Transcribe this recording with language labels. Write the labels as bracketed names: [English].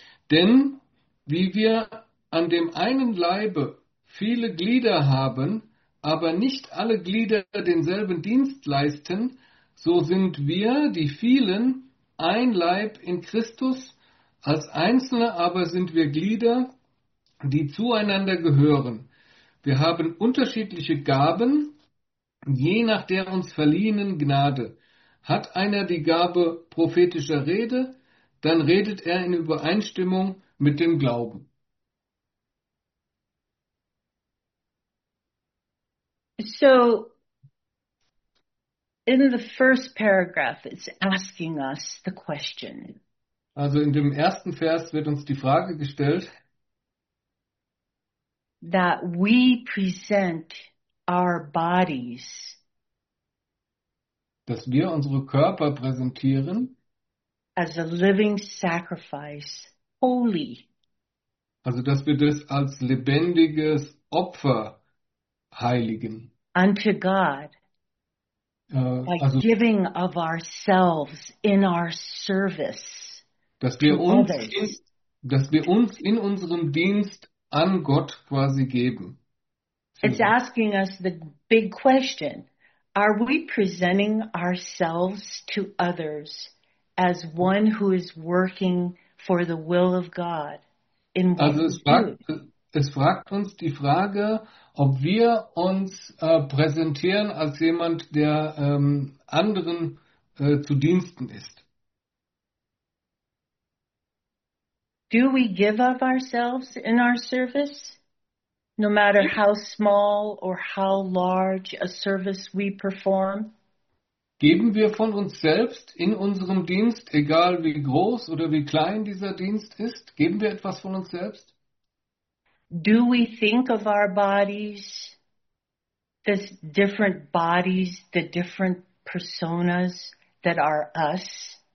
[German] Denn wie wir an dem einen Leibe viele Glieder haben, aber nicht alle Glieder denselben Dienst leisten, so sind wir, die vielen, ein Leib in Christus, als Einzelne aber sind wir Glieder, die zueinander gehören. Wir haben unterschiedliche Gaben, je nach der uns verliehenen Gnade. Hat einer die Gabe prophetischer Rede, dann redet er in Übereinstimmung mit dem Glauben. [English] So, in the first paragraph, it's asking us the question. [German] Also in dem ersten Vers wird uns die Frage gestellt, [English] That we present our bodies [German] dass wir unsere Körper präsentieren, [English] as a living sacrifice, holy. [German] also dass wir das als lebendiges Opfer heiligen, [English] Unto God. [German] also, [English] giving of ourselves in our service [German] dass [English] to [German] wir uns [English] others. [German] in unserem Dienst an Gott quasi geben. [English] It's asking us the big question. Are we presenting ourselves to others as one who is working for the will of God in what [German] Also [English] we do? [German] Es fragt uns die Frage, ob wir uns präsentieren als jemand, der anderen zu Diensten ist. [English] Do we give of ourselves in our service? No matter how small or how large a service we perform? [German] Geben wir von uns selbst in unserem Dienst, egal wie groß oder wie klein dieser Dienst ist, geben wir etwas von uns selbst? [English] Do we think of our bodies, the different bodies, the different personas that are us?